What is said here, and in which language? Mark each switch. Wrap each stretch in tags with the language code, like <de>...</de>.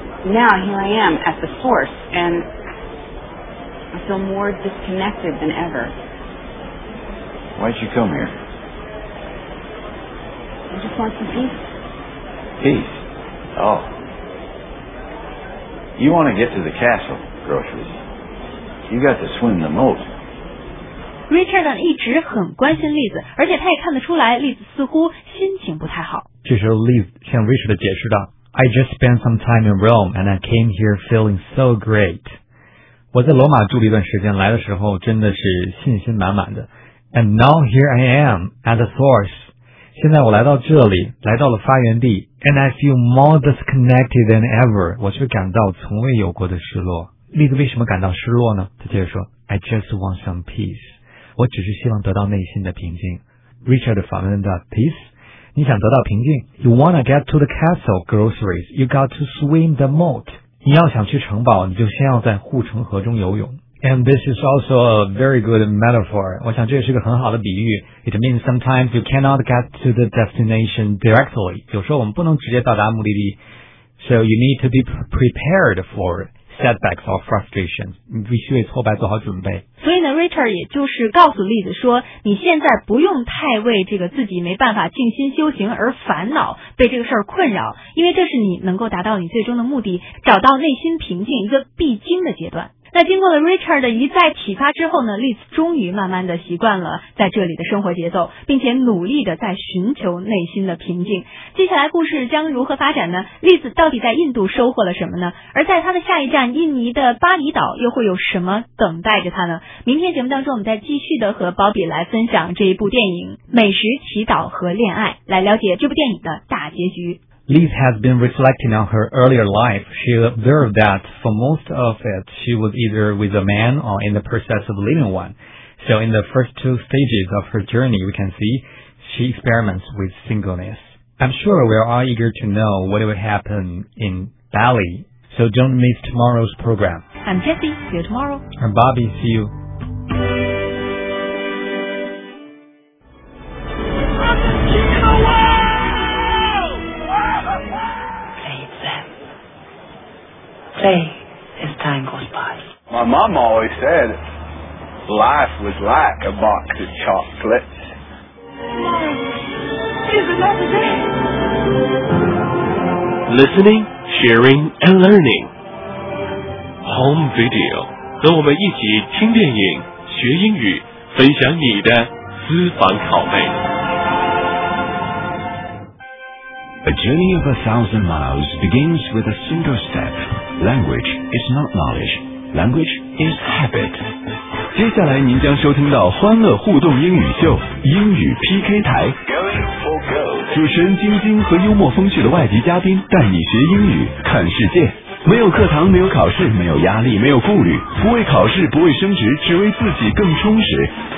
<en>Now here I am at the source, and I feel more disconnected than ever. Why'd you come here? I just want some peace. Peace? Oh. You want to get to the castle, groceries. You got to swim the moat.</en> <zh>Richard 一直很关心 Liz， 而且他也看得出来 Liz 似乎心情不太好。这时候 Liz 向 Richard 解释道：</zh> <en>I just spent some time in Rome and I came here feeling so great.</en> <zh>我在罗马住了一段时间，来的时候真的是信心满满的。</zh> <en>And now here I am at the source.</en> <zh>现在我来到这里，来到了发源地。</zh> <en>And I feel more disconnected than ever.</en> <zh>我却感到从未有过的失落。Liz 为什么感到失落呢？他接着说：</zh> <en>I just want some peace.</en> <zh>我只是希望得到内心的平静。 Richard 反问道： Peace? 你想得到平静？</zh> <en>You wanna get to the castle, groceries. You got to swim the moat.</en> <zh>你要想去城堡，你就先要在护城河中游泳。</zh> <en>And this is also a very good metaphor.</en> <zh>我想这也是个很好的比喻。</zh> <en>It means sometimes you cannot get to the destination directly.</en> <zh>有时候我们不能直接到达目的地。</zh> <en>So you need to be prepared for it. Setbacks or frustrations，</en> <zh>你必须为挫败做好准备。所以呢 ，Richard 也就是告诉 Liz 说，你现在不用太为这个自己没办法静心修行而烦恼，被这个事儿困扰，因为这是你能够达到你最终的目的，找到内心平静一个必经的阶段。那经过了 Richard 的一再启发之后呢 ，Liz 终于慢慢的习惯了在这里的生活节奏，并且努力的在寻求内心的平静。接下来故事将如何发展呢 ？Liz 到底在印度收获了什么呢？而在他的下一站印尼的巴厘岛又会有什么等待着他呢？明天节目当中，我们再继续的和 Bobby 来分享这一部电影《美食、祈祷和恋爱》，来了解这部电影的大结局。</zh> <en>Liz has been reflecting on her earlier life. She observed that for most of it, she was either with a man or in the process of leaving one. So in the first two stages of her journey, we can see she experiments with singleness. I'm sure we're all eager to know what would happen in Bali. So don't miss tomorrow's program. I'm Jessie. See you tomorrow. I'm Bobby. See you. Play as time goes by. My mom always said, life was like a box of chocolates. Mom, here's another day. Listening, sharing, and learning. Home video.</en> <zh>和我们一起听电影，学英语，分享你的私房拷贝。</zh> <en>A journey of 1,000 miles begins with a single step. Language is not knowledge. Language is habit.</en> <zh>接下来您将收听到欢乐互动英语秀，英语 PK 台。主持人晶晶和幽默风趣的外籍嘉宾带你学英语，看世界。没有课堂，没有考试，没有压力，没有顾虑，不为考试，不为升职，只为自己更充实。</zh>